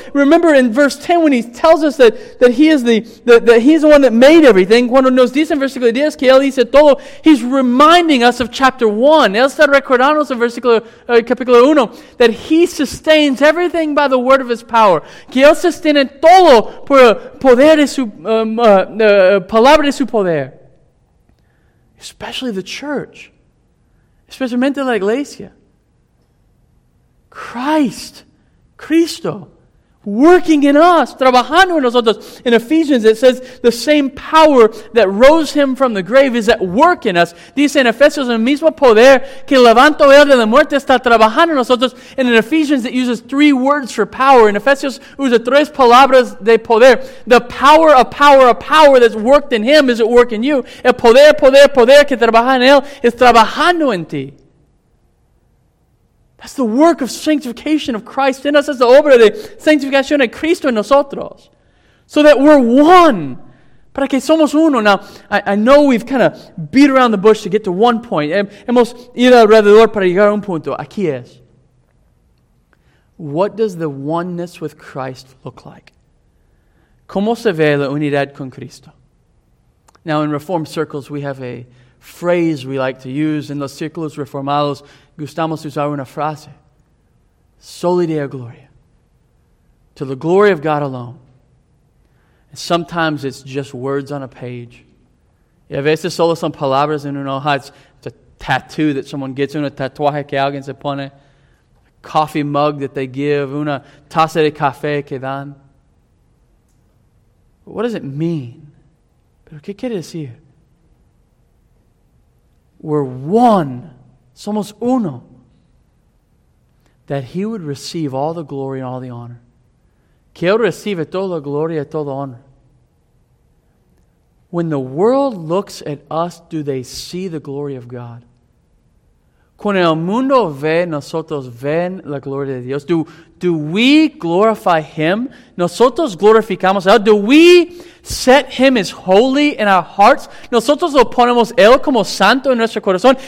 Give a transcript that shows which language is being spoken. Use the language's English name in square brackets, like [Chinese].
[English] Remember in verse 10 when He tells us that He is that He is the one that made everything. [Spanish] Cuando nos dice en versículo 10 que Él hizo todo, [English] He's reminding us of chapter 1. [Spanish] Él está recordándonos en capítulo 1 [English] that He sustains everything by the word of His power. [Spanish] Que Él sostiene todo por el poder de su palabra de su poder. [English] Especially the church. [Spanish] Especialmente la iglesia. [English] Christ, Cristo, working in us, [Spanish] trabajando en nosotros. [English] In Ephesians, it says the same power that rose Him from the grave is at work in us. [Spanish] Dice en Efesios, el mismo poder que levantó Él de la muerte está trabajando en nosotros. [English] And in Ephesians, it uses three words for power. [Spanish] In Efesios, usa tres palabras de poder. [English] The power of power of power that's worked in Him is at work in you. [Spanish] El poder, poder, poder que trabaja en Él es trabajando en ti. [English] That's the work of sanctification of Christ in us. That's the [Spanish] obra de sanctificación de Cristo en nosotros. [English] So that we're one. [Spanish] Para que somos uno. [English] Now, I know we've kind of beat around the bush to get to one point. [Spanish] Hemos ido alrededor para llegar a un punto. Aquí es. [English] What does the oneness with Christ look like? [Spanish] ¿Cómo se ve la unidad con Cristo? [English] Now, in Reformed circles, we have a phrase we like to use. [Spanish] In los círculos reformados, gustamos usar una frase. [Latin] Soli Deo Gloria. [English] To the glory of God alone. And sometimes it's just words on a page. [Spanish] Y a veces solo son palabras en una hoja. [English] It's a tattoo that someone gets, [Spanish] una tatuaje que alguien se pone. [English] A coffee mug that they give, [Spanish] una taza de café que dan. [English] But what does it mean? [Spanish] Pero qué quiere decir? [English] We're one. [Spanish] Somos uno. [English] That He would receive all the glory and all the honor. [Spanish] Que Él recibe toda la gloria y toda la honra. [English] When the world looks at us, do they see the glory of God? [Spanish] Cuando el mundo ve, nosotros ven la gloria de Dios. [English] Do we glorify Him? [Spanish] Nosotros glorificamos a Él. [English] Do we set Him as holy in our hearts? [Spanish] Nosotros lo ponemos Él como santo en nuestro corazón.